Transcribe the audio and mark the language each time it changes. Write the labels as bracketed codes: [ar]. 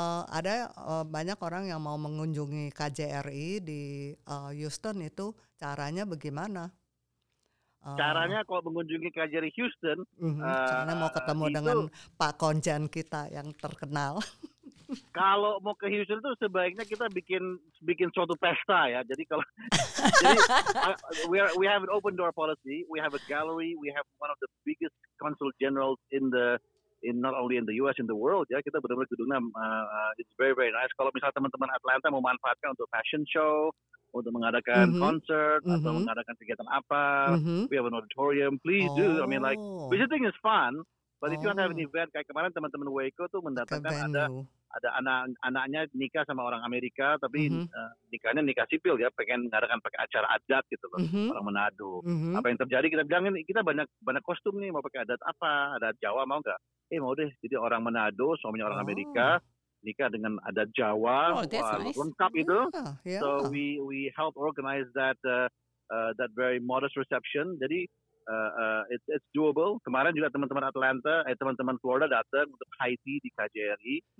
[id] Ada banyak orang yang mau mengunjungi KJRI di Houston, itu caranya bagaimana? Caranya kalau mengunjungi KJRI Houston, karena mau ketemu itu, dengan Pak Konjen kita yang terkenal. Kalau mau ke Houston itu sebaiknya kita bikin suatu pesta ya. Jadi kalau [en] we have an open door policy, we have a gallery, we have one of the biggest consul generals in not only in the US, in the world ya. [id] Kita benar-benar gedungnya [en] it's very very nice. [id] Kalau misalnya teman-teman Atlanta mau manfaatkan untuk fashion show, untuk mengadakan concert atau mengadakan kegiatan apa, [en] we have an auditorium, please do. I mean like visiting is fun, but if you want to have an event, [id] kayak kemarin teman-teman Waco tuh mendatangkan ada anak-anaknya nikah sama orang Amerika, tapi nikahnya nikah sipil ya, pengen mengadakan pakai acara adat gitu loh, orang Manado. Apa yang terjadi, kita bilangin, kita banyak kostum nih, mau pakai adat apa, adat Jawa mau gak? Mau deh, jadi orang Manado, suaminya orang Amerika, nikah dengan adat Jawa, lengkap itu. [en] So we help organize that that very modest reception, [id] jadi [en] it's doable. [id] Kemarin juga teman-teman Atlanta, teman-teman Florida datang untuk Haiti di KJRI.